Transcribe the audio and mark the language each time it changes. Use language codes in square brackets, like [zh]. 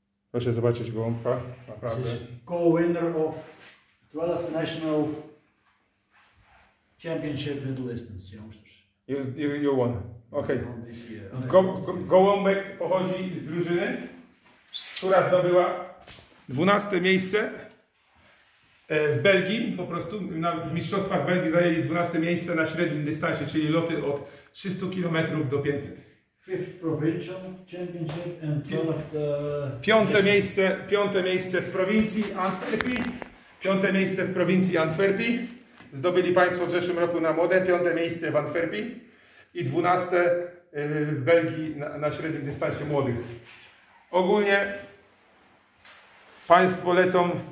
[pl] Proszę zobaczyć gołąbka, naprawdę. [en] Co-winner of 12th National Championship Middle Distance Youngsters. You won. Okay. [pl] Gołąbek pochodzi z drużyny, która zdobyła 12 miejsce w Belgii, po prostu w mistrzostwach Belgii zajęli 12 miejsce na średnim dystansie, czyli loty od 300 km do 500. [en] Fifth provincial championship and one of the... [pl] Piąte miejsce w prowincji Antwerpii. Piąte miejsce w prowincji Antwerpii. Zdobyli państwo w zeszłym roku na modę. Piąte miejsce w Antwerpii. I 12 w Belgii na średnim dystansie młodych. Ogólnie państwo lecą